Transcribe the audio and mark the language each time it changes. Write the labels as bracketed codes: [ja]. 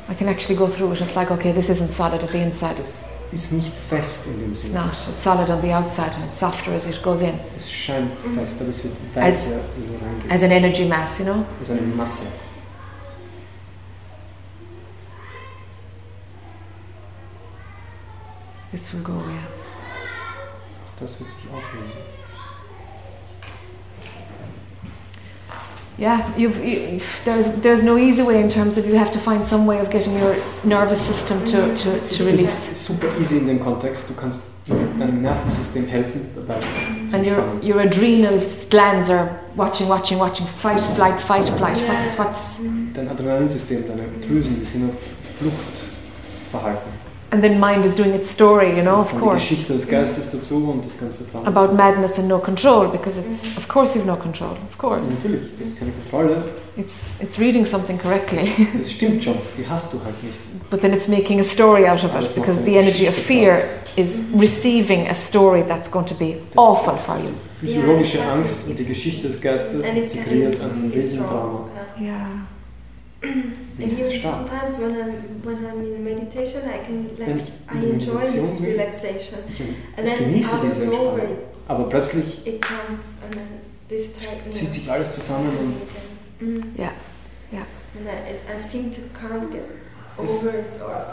[en] I can actually go through it. It's like, okay, this isn't solid at the inside. [de] Ist nicht fest in dem Sinne. [en] It's not. It's solid on the outside and it's softer as it goes in. [de] Es scheint fest, aber es wird weicher, wenn du reingehst. [en] As an energy mass, you know? [de] Es ist eine Masse. [en] This will go away. [de] Auch das wird sich auflösen. [en] Yeah, there's no easy way in terms of you have to find some way of getting your nervous system to release. It's super easy [de] in dem Kontext. Du kannst deinem Nervensystem helfen, dabei zu entspannen. [en] And your adrenal glands are watching, fight, flight. Yeah. What's [de] dein Adrenalinsystem, deine Drüsen, die sind auf Fluchtverhalten. [en] And then mind is doing its story, you know, of [de] und [en] course. [de] Die Geschichte des Geistes dazu und das ganze Drama. [en] About madness and no control, because it's, of course you have no control, of course. [de] Und natürlich, du hast keine Kontrolle. [en] It's reading something correctly. [de] Das stimmt schon, die hast du halt nicht. [en] But then it's making a story out of it, because the energy of fear is receiving a story that's going to be awful for you. [de] Die physiologische Angst und die Geschichte des Geistes, die kreiert ein Riesendrama. [en] Yeah. And even sometimes when I'm in meditation, I can like I enjoy this relaxation. And then I have a glory. [de] Aber plötzlich [en] it comes and then this type [de] zieht sich alles zusammen und [en] And I seem to can't get over it or